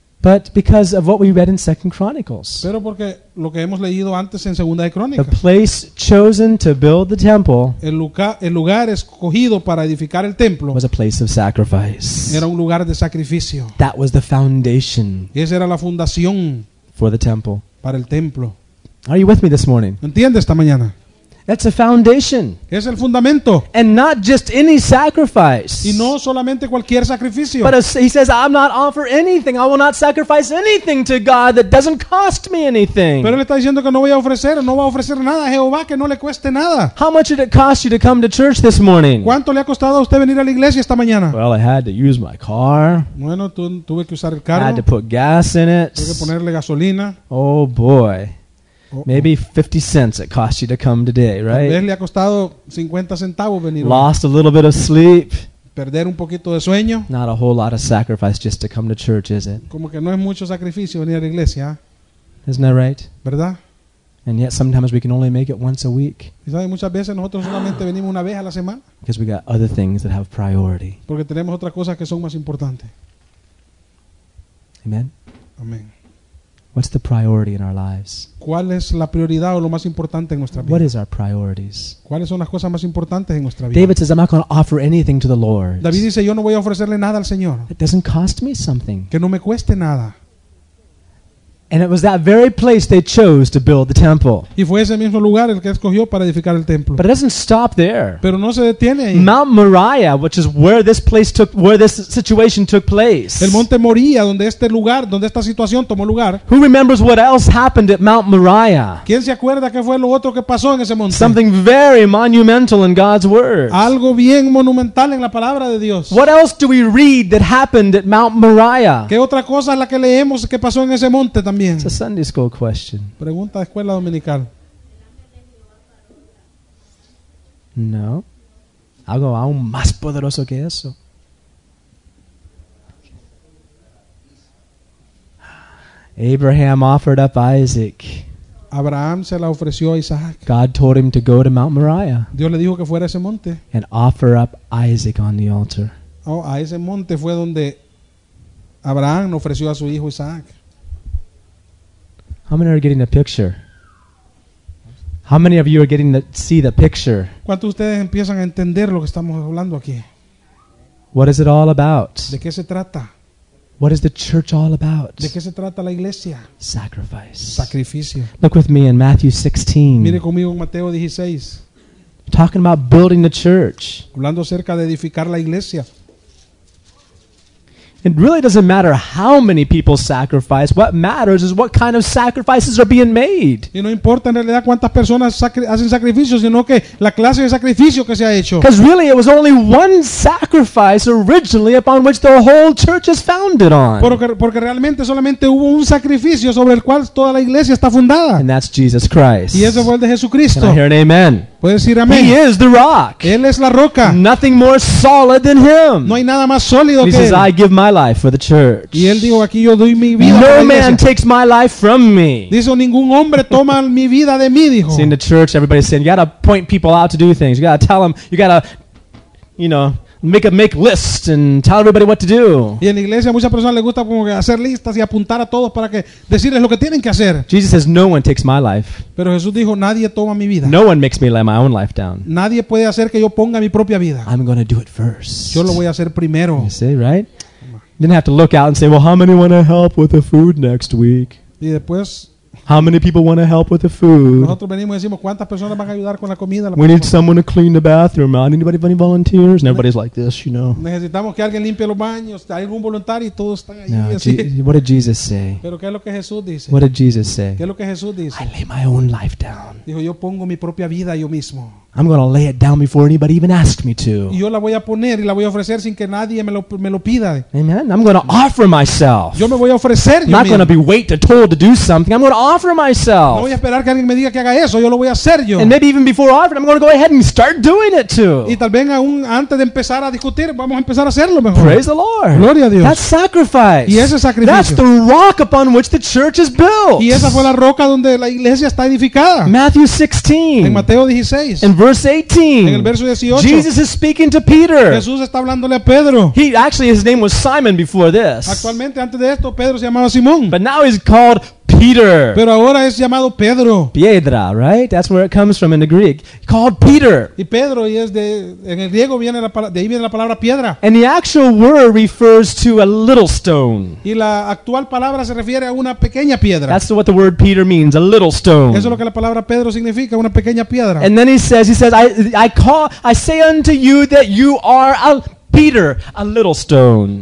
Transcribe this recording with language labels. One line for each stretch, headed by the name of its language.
English: But because of what we read in 2 Chronicles.
Spanish: Pero porque lo que hemos leído antes en Segunda de Crónicas.
English: The place chosen to build the temple.
Spanish: El lugar escogido para edificar el templo.
English: Was a place of sacrifice.
Spanish: Era un lugar de sacrificio.
English: That was the foundation.
Spanish: Esa era la fundación.
English: For the temple.
Spanish: Para el templo.
English: Are you with me this morning?
Spanish: ¿Entiendes esta mañana?
English: That's a foundation.
Spanish: Es el fundamento.
English: And not just any sacrifice.
Spanish: Y no solamente cualquier sacrificio.
English: But he says, I'm not offer anything. I will not sacrifice anything to God that doesn't cost me anything.
Spanish: Pero él está diciendo que no voy a ofrecer, no va a ofrecer nada a Jehová que no le cueste nada.
English: How much did it cost you to come to church this morning?
Spanish: ¿Cuánto le ha costado a usted venir a la iglesia esta mañana?
English: Well, I had to use my car.
Spanish: Bueno, tuve que usar el carro.
English: I had to put gas in it.
Spanish: Tuve que ponerle gasolina.
English: Oh boy. Maybe 50 cents it cost you to come today, right?
Spanish: Tal vez le ha costado 50 centavos venir.
English: Lost a little bit of sleep.
Spanish: Perder un poquito de sueño.
English: Not a whole lot of sacrifice just to come to church, is it?
Spanish: Como que no es mucho sacrificio venir a la iglesia.
English: Isn't that right?
Spanish: ¿Verdad?
English: And yet sometimes we can only make it once a week.
Spanish: ¿Y sabes, muchas veces nosotros solamente venimos una vez a la semana?
English: Because we got other things that have priority.
Spanish: Porque tenemos otras cosas que son más importantes.
English: Amen.
Spanish: Amén.
English: What's the priority in our lives?
Spanish: ¿Cuál es la prioridad o lo más importante en nuestra vida?
English: What is our priorities?
Spanish: ¿Cuáles son las cosas más importantes en nuestra vida?
English: David says, I'm not going to offer anything to the Lord.
Spanish: David dice, yo no voy a ofrecerle nada al Señor.
English: It doesn't cost me something.
Spanish: Que no me cueste nada.
English: And it was that very place they chose to build the temple.
Spanish: Y fue ese mismo lugar el que escogió para edificar el templo.
English: But it doesn't stop there.
Spanish: Pero no se detiene ahí.
English: Mount Moriah, which is where this place took, where this situation took place.
Spanish: El Monte Moriah, donde este lugar, donde esta situación tomó lugar.
English: Who remembers what else happened at Mount Moriah?
Spanish: ¿Quién se acuerda qué fue lo otro que pasó en ese monte?
English: Something very monumental in God's word.
Spanish: Algo bien monumental en la palabra de Dios.
English: What else do we read that happened at Mount Moriah?
Spanish: ¿Qué otra cosa es la que leemos que pasó en ese monte también?
English: It's a Sunday school question.
Spanish: Pregunta de escuela dominical. No. Algo aún más poderoso que eso.
English: Abraham offered up Isaac.
Spanish: Abraham se la ofreció a Isaac.
English: God told him to go to Mount Moriah.
Spanish: Dios le dijo que fuera a ese monte.
English: And offer up Isaac on the altar.
Spanish: Oh, a ese monte fue donde Abraham ofreció a su hijo Isaac.
English: How many are getting the picture? How many of you are getting to see the picture?
Spanish: ¿Cuántos de ustedes empiezan a entender lo que estamos hablando aquí?
English: What is it all about?
Spanish: ¿De qué se trata?
English: What is the church all about?
Spanish: ¿De qué se trata la iglesia?
English: Sacrifice.
Spanish: Sacrificio.
English: Look with me in Matthew 16.
Spanish: Mire conmigo en Mateo 16.
English: Talking about building the church.
Spanish: Hablando acerca de edificar la iglesia.
English: It really doesn't matter how many people sacrifice. What matters is what kind of sacrifices are being made.
Spanish: Y no importa en realidad cuántas personas hacen sacrificios, sino que la clase de sacrificio que se ha hecho.
English: Because really, it was only one sacrifice originally upon which the whole church is founded on.
Spanish: Porque realmente solamente hubo un sacrificio sobre el cual toda la iglesia está fundada.
English: And that's Jesus Christ.
Spanish: Y ese fue el de Jesucristo.
English: Can I hear an amen?
Spanish: Puedes decir amén.
English: He is the rock.
Spanish: Él es la roca.
English: Nothing more solid than him.
Spanish: No hay nada más sólido que él.
English: He says, I give my life for the church.
Spanish: Y él dijo, aquí yo doy mi vida.
English: No man takes my life from me.
Spanish: Dijo, ningún hombre toma mi vida de mí, dijo.
English: See, in the church, everybody's saying, you got to point people out to do things. You got to tell them, you got to, you know, make lists and tell everybody what to do.
Spanish: Y en la iglesia muchas personas les gusta como que hacer listas y apuntar a todos para que decirles lo que tienen que hacer.
English: Jesus says no one takes my life.
Spanish: Pero Jesús dijo nadie toma mi vida.
English: No one makes me lay my own life down.
Spanish: Nadie puede hacer que yo ponga mi propia vida.
English: I'm going to do it first.
Spanish: Yo lo voy a hacer primero.
English: You see, right? Didn't have to look out and say, well, how many want to help with the food next week?
Spanish: Y después.
English: How many people want to help with the food?
Spanish: Nosotros venimos y decimos, ¿cuántas personas van a ayudar con la comida?
English: We need someone to clean the bathroom. Anybody have any volunteers? And everybody's like this, you know.
Spanish: Necesitamos que alguien limpie los baños. Hay algún voluntario y todos están allí. No, así.
English: What did Jesus say?
Spanish: Pero ¿qué es lo que Jesús dice?
English: What did Jesus say?
Spanish: ¿Qué es lo que Jesús dice?
English: I lay my own life down.
Spanish: Dijo, yo pongo mi propia vida yo mismo.
English: I'm going to lay it down before anybody even asks me to.
Spanish: Yo la voy a poner y la voy a ofrecer sin que nadie me lo pida.
English: Amen. I'm going to offer myself.
Spanish: Yo me voy a ofrecer.
English: I'm not going to be waiting to told to do something. I'm going to offer myself.
Spanish: No voy a esperar que alguien me diga que haga eso. Yo lo voy a hacer yo.
English: And maybe even before offering, I'm going to go ahead and start doing it too.
Spanish: Y tal vez aún antes de empezar a discutir, vamos a empezar a hacerlo mejor.
English: Praise the Lord.
Spanish: Gloria a Dios.
English: That's sacrifice.
Spanish: Y ese sacrificio.
English: That's the rock upon which the church is built.
Spanish: Y esa fue la roca donde la iglesia está edificada.
English: Matthew 16.
Spanish: En Mateo 16.
English: In verse 18,
Spanish: en el verso 18,
English: Jesus is speaking to Peter.
Spanish: Jesús está hablándole a Pedro.
English: He actually his name was Simon before this.
Spanish: Actualmente, antes de esto, Pedro se llamaba Simón.
English: But now he's called Peter.
Spanish: Pero ahora es llamado Pedro.
English: Piedra, right? That's where it comes from in the Greek. Called Peter.
Spanish: Y Pedro, y es de en el griego viene la de ahí viene la palabra piedra.
English: And the actual word refers to a little stone.
Spanish: Y la actual palabra se refiere a una pequeña piedra.
English: That's what the word Peter means, a little stone.
Spanish: Eso es lo que la palabra Pedro significa, una pequeña piedra.
English: And then he says, I say unto you that you are a Peter, a little stone.